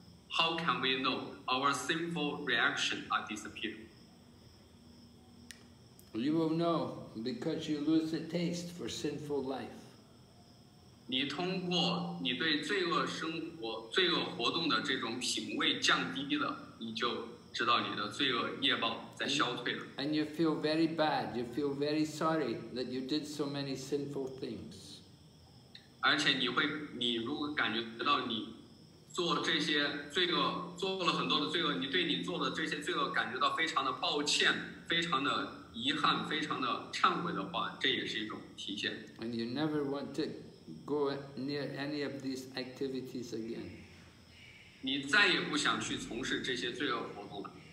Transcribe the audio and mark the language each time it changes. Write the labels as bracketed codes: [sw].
[en] How can we know our sinful reaction are disappeared? You will know because you lose the taste for sinful life. [zh] 你通过你对罪恶生活、罪恶活动的这种品味降低了，你就知道你的罪恶业报在消退了。 [en] And you feel very bad. You feel very sorry that you did so many sinful things. [zh] 而且你会，你如果感觉到你做这些罪恶，做了很多的罪恶，你对你做的这些罪恶感觉到非常的抱歉，非常的遗憾，非常的忏悔的话，这也是一种体现。 [en] And you never want to go near any of these activities again. [zh] 你再也不想去从事这些罪恶活动了。